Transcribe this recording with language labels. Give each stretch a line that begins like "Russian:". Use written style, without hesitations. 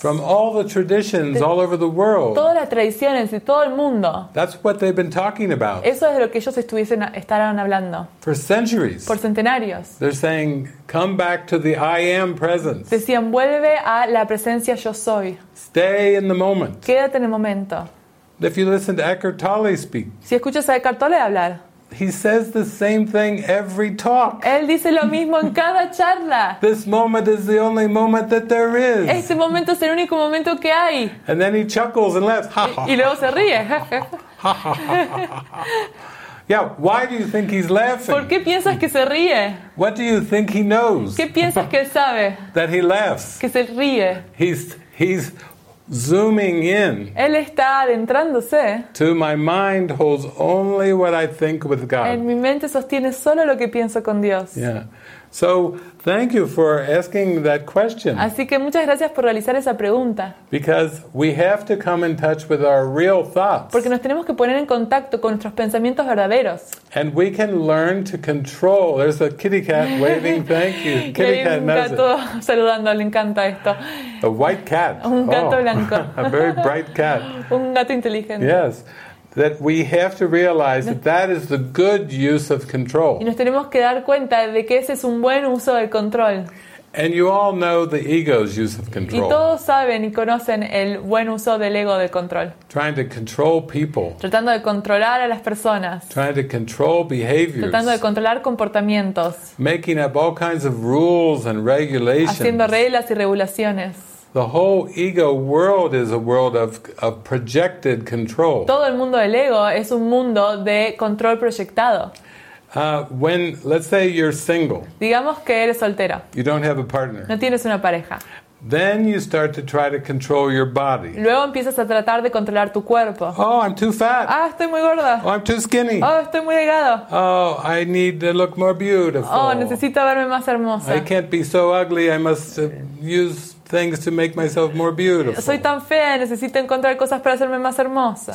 English: From all the traditions all over the world.
Spanish: Todas las tradiciones de todo el mundo.
English: That's what they've been talking about.
Spanish: Eso es de lo que ellos estarán hablando.
English: For centuries.
Spanish: Por centenarios.
English: They're saying, come back to the I am presence.
Spanish: Decían, vuelve a la presencia yo soy.
English: Stay in the moment.
Spanish: Quédate en el momento.
English: If you listen to Eckhart Tolle speak.
Spanish: Si escuchas a Eckhart Tolle hablar.
English: He says the same thing every talk.
Spanish: Él dice lo mismo en cada charla.
English: This moment is the only moment that there is.
Spanish: Ese momento es el único momento que hay.
English: And then he chuckles and laughs.
Spanish: Y luego se ríe.
English: Yeah, why do you think he's laughing?
Spanish: ¿Por qué piensas que se ríe?
English: What do you think he knows?
Spanish: ¿Qué piensas que él sabe?
English: That he laughs.
Spanish: Que se ríe.
English: He's zooming in.
Spanish: Él está adentrándose.
English: To my mind holds only what I think with God.
Spanish: En mi mente sostiene solo lo que pienso con Dios.
English: Yeah. So, thank you for asking that question.
Spanish: Así que muchas gracias por realizar esa pregunta.
English: Because we have to come in touch with our real thoughts.
Spanish: Porque nos tenemos que poner en contacto con nuestros pensamientos verdaderos.
English: And we can learn to control. There's a kitty cat waving. Thank you. Kitty cat knows it.
Spanish: Un gato saludando. Le encanta esto.
English: A white cat.
Spanish: Un gato blanco.
English: A very bright cat.
Spanish: Un gato inteligente.
English: Yes. That we have to realize that is the good use of control.
Spanish: Y nos tenemos que dar cuenta de que ese es un buen uso del control.
English: And you all know the ego's use of control.
Spanish: Y todos saben y conocen el buen uso del ego del control.
English: Trying to control people.
Spanish: Tratando de controlar a las personas.
English: Trying to control behaviors.
Spanish: Tratando de controlar comportamientos.
English: Making up all kinds of rules and regulations.
Spanish: Haciendo reglas y regulaciones.
English: The whole ego world is a world of projected control.
Spanish: Todo el mundo del ego es un mundo de control proyectado.
English: When let's say you're single.
Spanish: Digamos que eres soltero.
English: You don't have a partner.
Spanish: No tienes una pareja.
English: Then you start to try to control your body.
Spanish: Luego empiezas a tratar de controlar tu cuerpo.
English: Oh, I'm too fat.
Spanish: Ah, estoy muy gorda.
English: Oh, I'm too skinny.
Spanish: Oh, estoy muy delgado.
English: Oh, I need to look more beautiful.
Spanish: Oh, necesito verme más hermosa.
English: I can't be so ugly. I must use things to make myself more beautiful.
Spanish: Soy tan fea, necesito encontrar cosas para hacerme más hermosa.